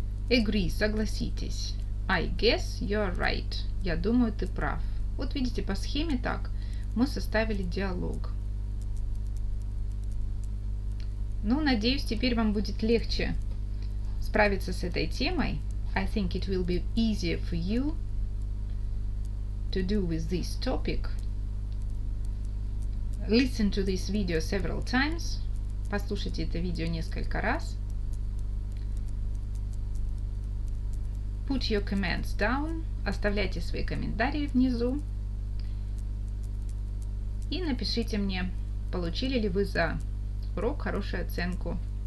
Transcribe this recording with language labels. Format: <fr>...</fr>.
<en>Agree.</en> <ru>Согласитесь.</ru> <en>I guess you're right.</en> <ru>Я думаю, ты прав. Вот видите, по схеме так мы составили диалог. Ну, надеюсь, теперь вам будет легче справиться с этой темой.</ru> <en>I think it will be easier for you to do with this topic. Listen to this video several times.</en> <ru>Послушайте это видео несколько раз.</ru> <en>Put your comments down.</en> <ru>Оставляйте свои комментарии внизу. И напишите мне, получили ли вы за урок хорошую оценку.</ru>